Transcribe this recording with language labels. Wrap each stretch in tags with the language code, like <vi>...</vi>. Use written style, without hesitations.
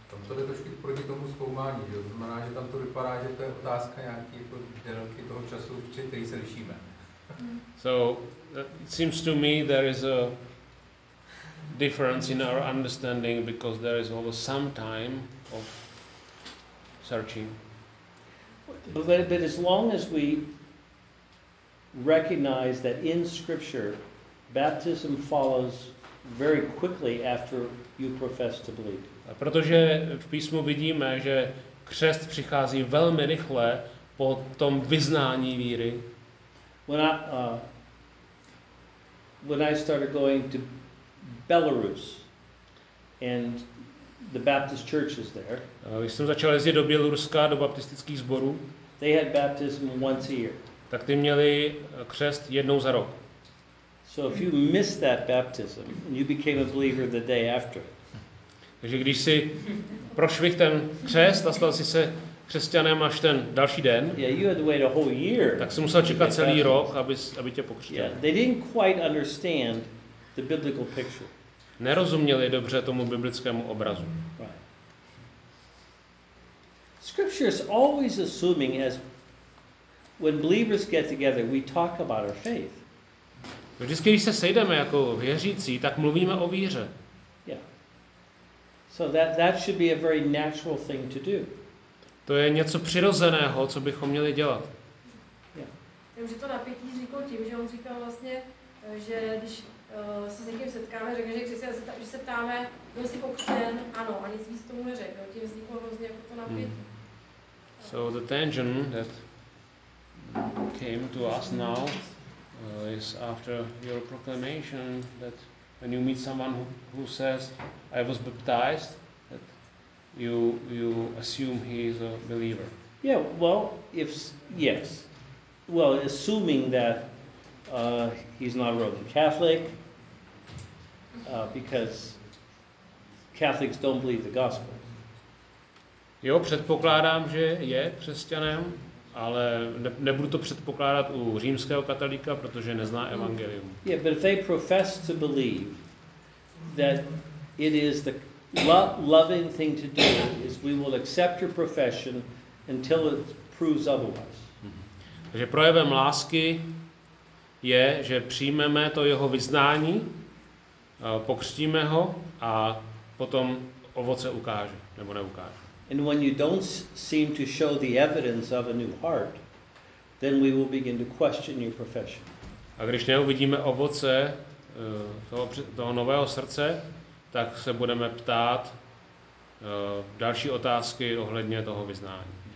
<cs>Tam to je trošku proti tomu zkoumání, že? To znamená, že tam to vypadá, že to je otázka nějaký jako délky toho času, který se lišíme.</cs> <en>So, it seems to me there is a difference in our understanding because there is always some time of searching. But as long as we recognize that in Scripture, baptism follows very quickly after you profess to believe.</en> <cs>A protože v písmu vidíme, že křest přichází velmi rychle po tom vyznání víry.</cs> <en>When I started going to Belarus and the Baptist churches there.</en> <cs>Když jsem začal jezdit do Běloruska do baptistických sborů.</cs> <en>They had baptism once a year.</en> <cs>Tak ty měli křest jednou za rok.</cs> <en>So if you missed that baptism, you became a believer the day after.</en> <cs>Takže když si prošvih ten křest a stal si se křesťanem až ten další den,</cs> <en>yeah, you had to wait a whole year.</en> <cs>Tak jsi musel čekat celý rok, aby tě pokřtěl.</cs> <en>Yeah, they didn't quite understand the biblical picture.</en> <cs>Nerozuměli dobře tomu biblickému obrazu.</cs> <en>Right. Scripture is always assuming as when believers get together, we talk about our faith.</en> <cs>Vždycky, když se sejdeme jako věřící, tak mluvíme o víře.</cs> <en>Yeah. So that should be a very natural thing to do.</en> <cs>To je něco přirozeného, co bychom měli dělat.</cs> <en>Yeah.</en> <cs>Takže to napětí říkal tím, že on říkal vlastně, že když se s někým setkáme, řekne, že když se ptáme, byl jsi pokřtěn, ano, a nic víc tomu neřekl. Tím vzniklo hrozně jako to napětí.</cs> <en>So the tension that came to us now is after your proclamation that when you meet someone who says I was baptized, that you assume he is a believer. Yeah, well, if yes, well, assuming that he's not Roman Catholic, because Catholics don't believe the gospel.</en> <cs>Jo, předpokládám, že je křesťanem, ale nebudu to předpokládat u římského katolíka, protože nezná evangelium.</cs> <en>Yeah, but if they profess to believe that it is the loving thing to do is we will accept your profession until it proves otherwise.</en> <cs>Takže projevem lásky je, že přijmeme to jeho vyznání, pokřtíme ho a potom ovoce ukáže nebo neukáže.</cs> <en>And when you don't seem to show the evidence of a new heart, then we will begin to question your profession.</en> <cs>A když neuvidíme ovoce toho nového srdce, tak se budeme ptát další otázky ohledně toho vyznání.</cs>